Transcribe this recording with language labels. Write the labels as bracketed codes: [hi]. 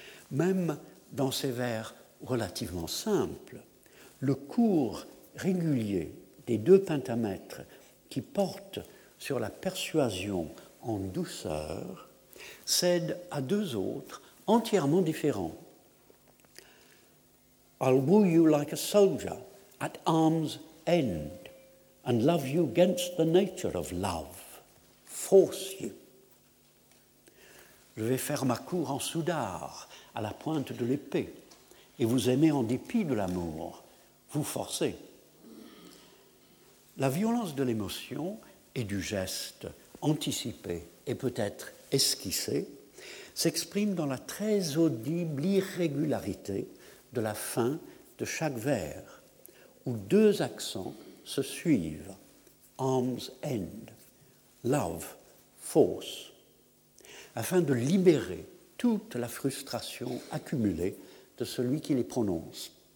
[fr] Même dans ces vers relativement simples, le cours régulier des deux pentamètres qui portent sur la persuasion en douceur cède à deux autres entièrement différents. [en] I'll woo you like a soldier at arm's end and love you against the nature of love. Force you. [fr] Je vais faire ma cour en soudard, à la pointe de l'épée, et vous aimer en dépit de l'amour, vous forcer. La violence de l'émotion et du geste anticipé et peut-être esquissé s'exprime dans la très audible irrégularité de la fin de chaque vers, où deux accents se suivent, [en] arms end, [fr] love, force, afin de libérer toute la frustration accumulée de celui qui les prononce.